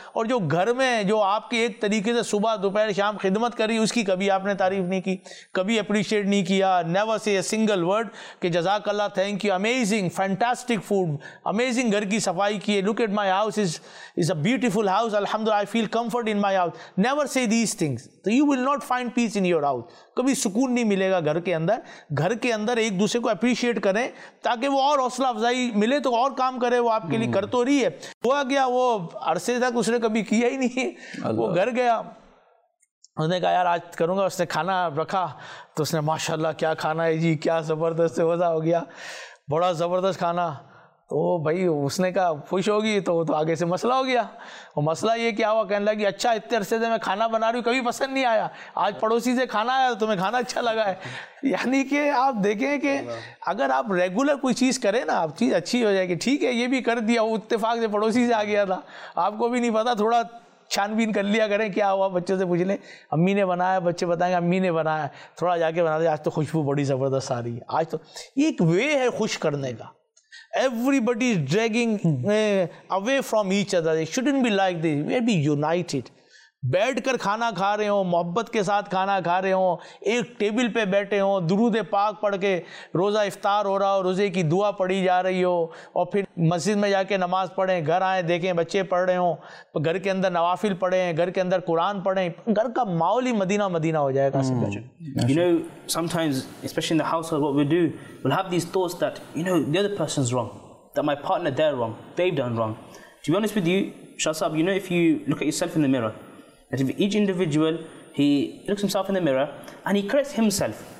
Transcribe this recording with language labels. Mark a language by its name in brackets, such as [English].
[Urdu] اور جو گھر میں جو آپ کے ایک طریقے سے صبح دوپہر شام خدمت کری، اس کی کبھی آپ نے تعریف نہیں کی، کبھی اپریشیٹ نہیں کیا، [English] never say a single word [Urdu] کہ جزاک اللہ، thank you, amazing, fantastic food, amazing گھر کی صفائی، [English] look at my house, is a beautiful house, alhamdulillah, I feel comfort in my house. Never say these things, so you will not find peace in your house. [Urdu] Kabhi sukoon nahi milega ghar ke andar. Ghar ke andar ek dusre ko appreciate kare taaki wo aur hausla afzai mile, to aur kaam kare wo aapke liye. Kar to rahi hai, hua kya, wo arse tak usne kabhi kiya hi nahi, wo ghar gaya, unne kaha yaar aaj karunga, usne khana rakha, to usne mashallah kya khana hai ji, kya zabardast se waza ho gaya, bada zabardast khana. تو بھائی اس نے کہا خوش ہوگی تو آگے سے مسئلہ ہو گیا. وہ مسئلہ یہ کیا ہوا, کہنے لگا کہ اچھا اتنے عرصے سے میں کھانا بنا رہی ہوں کبھی پسند نہیں آیا, آج پڑوسی سے کھانا آیا تو تمہیں کھانا اچھا لگا ہے. یعنی کہ آپ دیکھیں کہ اگر آپ ریگولر کوئی چیز کریں نا, آپ چیز اچھی ہو جائے گی. ٹھیک ہے یہ بھی کر دیا, وہ اتفاق سے پڑوسی سے آ گیا تھا, آپ کو بھی نہیں پتا, تھوڑا چھان بین کر لیا کریں کیا ہوا, بچوں سے پوچھ لیں امی نے بنایا, بچے بتائیں گے امی نے بنایا, تھوڑا جا کے بنا دیا, آج تو خوشبو بڑی زبردست آ رہی ہے. آج تو یہ ایک وے ہے خوش کرنے کا. [English] Everybody is dragging away from each other. It shouldn't be like this. We have to be united. [Urdu] بیٹھ کر کھانا کھا رہے ہوں, محبت کے ساتھ کھانا کھا رہے ہوں, ایک ٹیبل پہ بیٹھے ہوں, درود پاک پڑھ کے روزہ افطار ہو رہا ہو, روزے کی دعا پڑھی جا رہی ہو, اور پھر مسجد میں جا کے نماز پڑھیں, گھر آئیں دیکھیں بچے پڑھ رہے ہوں, گھر کے اندر نوافل پڑھیں, گھر کے اندر قرآن پڑھیں, گھر کا ماحول ہی مدینہ مدینہ ہو جائے گا. [English] You know, sometimes, especially in the household, what we do, we'll have these thoughts that, you know, the other person's wrong, that my partner, they're wrong, they've done wrong. To be honest with you, Shasab, you know, if you look at yourself in the mirror, that if each individual, he looks himself in the mirror and he corrects himself.